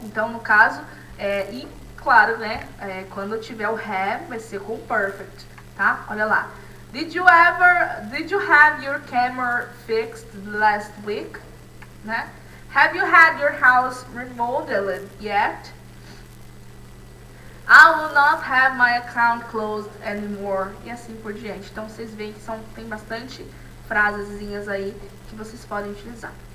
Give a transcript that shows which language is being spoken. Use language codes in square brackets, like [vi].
[pt] Então, no caso, e claro, né, quando tiver o have, vai ser com o perfect, tá? Olha lá. [en] Did you have your camera fixed last week? [pt] Né? [en] Have you had your house remodeled yet? I will not have my account closed anymore. [pt] E assim por diante. Então vocês veem que tem bastante frasezinhas aí que vocês podem utilizar.